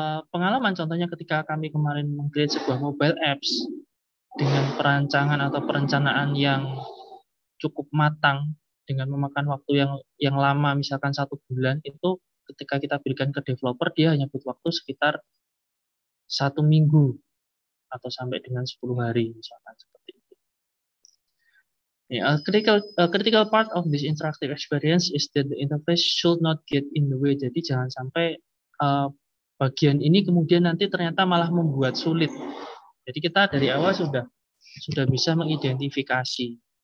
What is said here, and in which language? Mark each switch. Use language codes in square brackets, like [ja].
[id] Pengalaman contohnya ketika kami kemarin meng-create sebuah mobile apps, dengan perancangan atau perencanaan yang cukup matang, dengan memakan waktu yang lama, misalkan 1 bulan, itu ketika kita berikan ke developer, dia hanya butuh waktu sekitar 1 minggu atau sampai dengan 10 hari, misalkan seperti itu. [en] A critical part of this interactive experience is that the interface should not get in the way. [id] Jadi jangan sampai bagian ini kemudian nanti ternyata malah membuat sulit. Jadi kita dari awal sudah bisa mengidentifikasi.